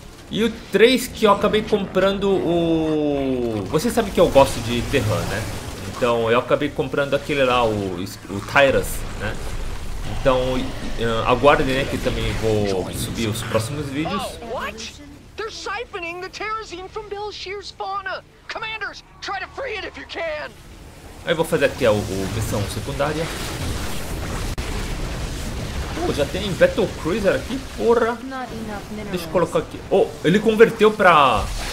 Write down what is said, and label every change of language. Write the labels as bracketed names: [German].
[Portuguese] E o 3 que eu acabei comprando, você sabe que eu gosto de Terran, né? Então eu acabei comprando aquele lá, o Tyrus, né? Então aguarde, né, que também vou subir os próximos vídeos. [English] They're siphoning the Terrazine from Belshir's fauna. Commanders, try to free it if you can. [Portuguese] Aí vou fazer aqui a missão secundária. Já tem Battle Cruiser aqui, porra. Deixa eu colocar aqui. Oh, ele converteu pra.